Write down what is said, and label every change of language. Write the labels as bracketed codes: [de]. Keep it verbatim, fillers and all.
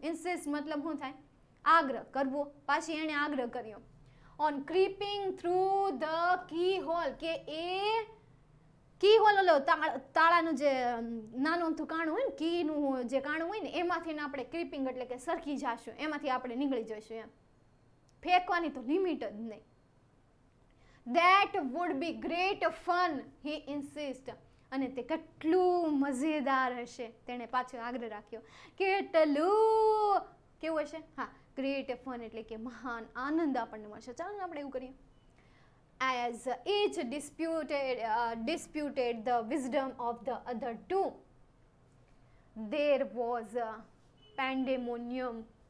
[gu] Insist મતલબ શું થાય? આગ્રહ કરવો. પાછી એણે આગ્રહ કર્યો, [en] on creeping through the keyhole, [gu] કે એ કી હોલો લો તાળાનું જે નાનું કાણું હોય ને કીનું જે કાણું હોય ને એમાંથી આપણે ક્રીપિંગ એટલે કે સરકી જાશું, એમાંથી આપણે નીકળી જઈશું. એમ ફેંકવાની તો લિમિટ જ નહીં. [en] That would be great fun, he insists. [gu] અને તે કેટલું મજેદાર હશે, તેણે પાછો આગ્રહ રાખ્યો. કેટલું કેવું હશે? હા, [en] great fun [gu] એટલે કે મહાન આનંદ આપણને મળશે. ચાલો ને આપણે એવું કરીએ. [en] As each disputed, uh, disputed the wisdom of the other two, there was a pandemonium.